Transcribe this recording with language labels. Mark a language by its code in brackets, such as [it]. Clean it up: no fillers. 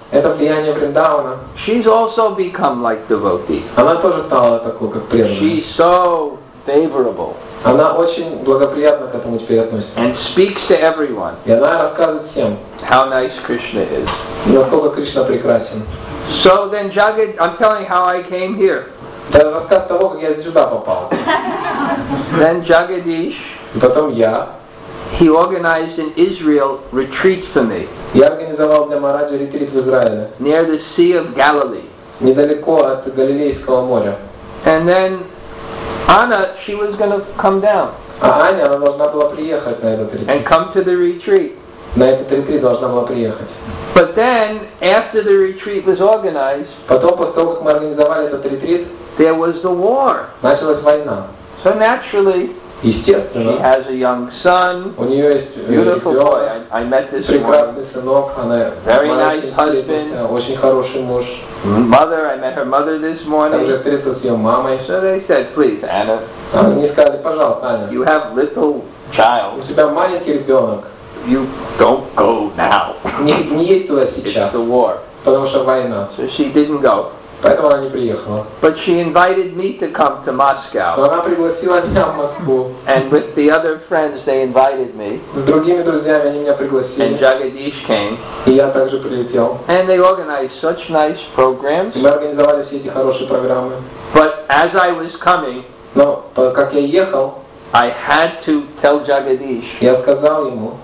[ru] это влияние Вриндавана, [en] she's also become like devotee. [ru] Она тоже стала такой, как преданная. [en] She's so favorable. [ru] Она очень благоприятно к этому теперь относится. [en] And speaks to everyone. [ru] И она рассказывает всем. [en] How nice Krishna is. [ru] И насколько Кришна прекрасен. [en] So then Jagat, I'm telling how I came here. [ru] Да, рассказ того, как я сюда попал. [en] Then Jagadish. [ru] И потом я. [en] He organized an Israel retreat for me. [ru] Я организовал для Махараджи ретрит в Израиле. [en] Near the Sea of Galilee. [ru] Недалеко от Галилейского моря. [en] And then Anna, she was going to come down. [ru] А Аня, она должна была приехать на этот ретрит. [en] And come to the retreat. [ru] На этот ретрит должна была приехать. [en] But then, after the retreat was organized, [ru] потом, после того, как мы организовали этот ретрит, [en] there was the war. [ru] Началась война. [en] So naturally, [ru] Естественно. [en] She has a young son. [ru] У нее есть [en] beautiful boy. I met this [ru] прекрасный one. Сынок. Она [en] very nice husband. [ru] Очень хороший муж. [en] Mother, I met her mother this morning. [ru] Также встретился с ее мамой. [en] So they said, please, Anna. [ru] Они сказали, пожалуйста, Аня. [en] You have little child. [ru] У тебя маленький ребенок. [en] You don't go now. [ru] Не едь туда сейчас. [en] It's the war. [ru] Потому что война. [en] So she didn't go. [ru] Поэтому она не приехала. [en] But she invited me to come to Moscow. [ru] Но она пригласила меня в Москву. [en] And with the other friends, they invited me. [ru] С другими друзьями они меня пригласили. [en] And Jagadish came. [ru] И я также прилетел. [en] And they organized such nice programs. [ru] И мы организовали все эти хорошие программы. [en] But as I was coming, [ru] но как я ехал, [en] I had to tell Jagadish, [ru] я сказал ему,